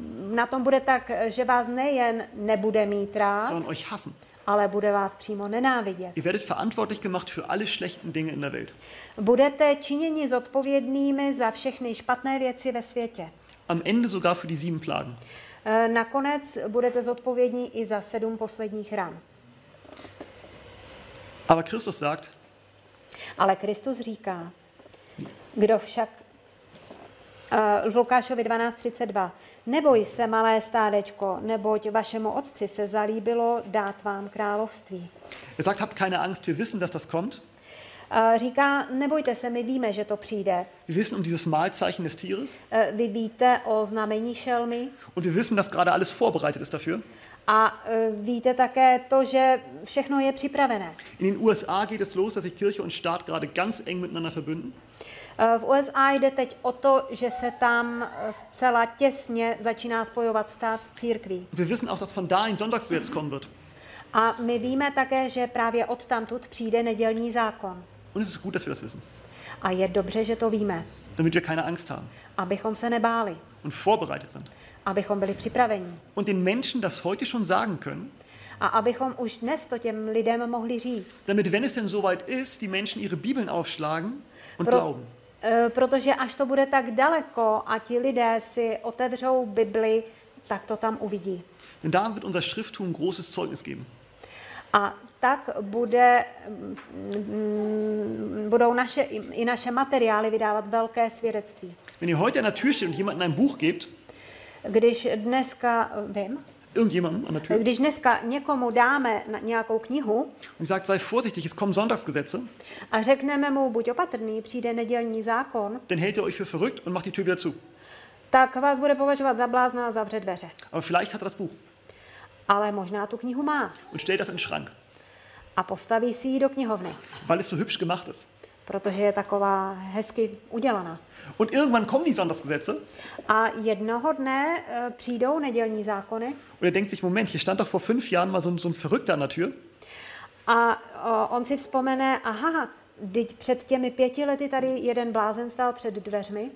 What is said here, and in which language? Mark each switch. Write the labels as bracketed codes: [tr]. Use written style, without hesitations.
[cs] na tom bude tak, že vás nejen nebude mít rád, [de] sondern euch hassen. [cs] ale bude vás přímo nenávidět. [de] Ihr werdet verantwortlich gemacht für alle schlechten Dinge in der Welt. [cs] Budete činěni zodpovědnými za všechny špatné věci ve světě. [de] Am Ende sogar für die sieben Plagen. [cs] Nakonec budete zodpovědní i za sedm posledních ran. [de] Aber Christus sagt. [cs] Ale Kristus říká. Kdo však Lukášovi 12:32. Neboj se, malé stádečko, neboť vašemu otci se zalíbilo dát vám království. [de] Er sagt, habt keine Angst, wir wissen, dass das kommt. [cs] Říká, nebojte se, my víme, že to přijde. [de] Wir wissen um dieses Malzeichen des Tieres. [cs] Vy víte o znamení šelmy. [de] Und wir wissen, dass gerade alles vorbereitet ist dafür. [cs] A víte také to, že všechno je připravené. [de] In den USA geht es los, dass sich Kirche und Staat gerade ganz eng miteinander verbünden. [cs] V USA jde teď o to, že se tam zcela těsně začíná spojovat stát s církví. [de] Wir wissen auch, dass von da ein Sonntagsgesetz kommen wird. [cs] A my víme také, že právě odtamtud přijde nedělní zákon. [de] Und es ist gut, dass wir das wissen. [cs] A je dobře, že to víme. [de] Damit wir keine Angst haben. [cs] Abychom se nebáli. [de] Und vorbereitet sind. [cs] Abychom byli připraveni. [de] Und den Menschen das heute schon sagen können. [cs] A abychom už dnes to těm lidem mohli říct. [de] Damit wenn es denn soweit ist, die Menschen ihre Bibeln aufschlagen und glauben. [cs] Protože až to bude tak daleko a ti lidé si otevřou Bibli, tak to tam uvidí. [de] Denn da wird unser Schrifttum großes Zeugnis geben. [cs] A tak bude budou naše i naše materiály vydávat velké svědectví. [de] Wenn ihr heute an der Tür steht und jemandem ein Buch gebt, [cs] když dneska vím, když dneska někomu dáme nějakou knihu [de] und sagt, sei vorsichtig, es kommen Sonntagsgesetze, [cs] a řekneme mu, buď opatrný, přijde nedělní zákon, [de] dann hält er euch für verrückt und macht die Tür wieder zu. [cs] Tak vás bude považovat za blázna a zavře dveře. [de] Aber vielleicht hat er das Buch. [cs] Ale možná tu knihu má. [de] Und stellt das in den Schrank. [cs] A postaví si ji do knihovny. [de] Weil es so hübsch gemacht ist. [cs] Protože je taková hezky udělaná. [de] Und irgendwann kommen die Sonntagsgesetze. [cs] A jednoho dne přijdou nedělní zákony. [de] Und er denkt sich, Moment, hier stand doch vor fünf Jahren mal so ein Verrückter an der Tür. [cs] A on si vzpomene, aha, teď před těmi pěti lety tady jeden blázen stál před dveřmi.